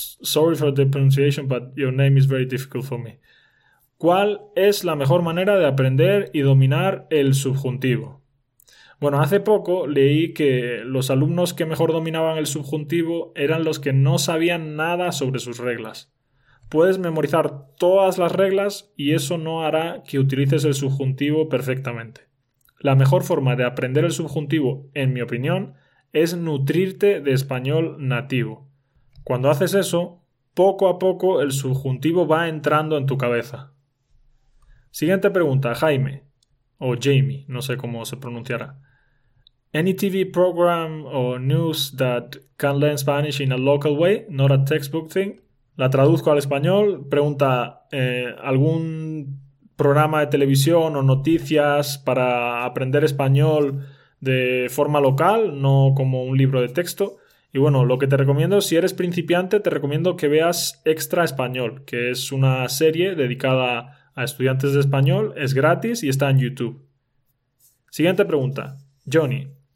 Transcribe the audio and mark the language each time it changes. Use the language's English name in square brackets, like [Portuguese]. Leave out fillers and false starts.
[English] Sorry for the pronunciation, but your name is very difficult for me. [Spanish] ¿Cuál es la mejor manera de aprender y dominar el subjuntivo? Bueno, hace poco leí que los alumnos que mejor dominaban el subjuntivo eran los que no sabían nada sobre sus reglas. Puedes memorizar todas las reglas y eso no hará que utilices el subjuntivo perfectamente. La mejor forma de aprender el subjuntivo, en mi opinión, es nutrirte de español nativo. Cuando haces eso, poco a poco el subjuntivo va entrando en tu cabeza. Siguiente pregunta, Jaime. O Jamie, no sé cómo se pronunciará. [English] Any TV program or news that can learn Spanish in a local way, not a textbook thing? [Spanish] La traduzco al español. Pregunta, ¿algún programa de televisión o noticias para aprender español de forma local, no como un libro de texto? Y bueno, lo que te recomiendo, si eres principiante, te recomiendo que veas Extra Español, que es una serie dedicada a estudiantes de español, es gratis y está en YouTube. Siguiente pregunta. Johnny.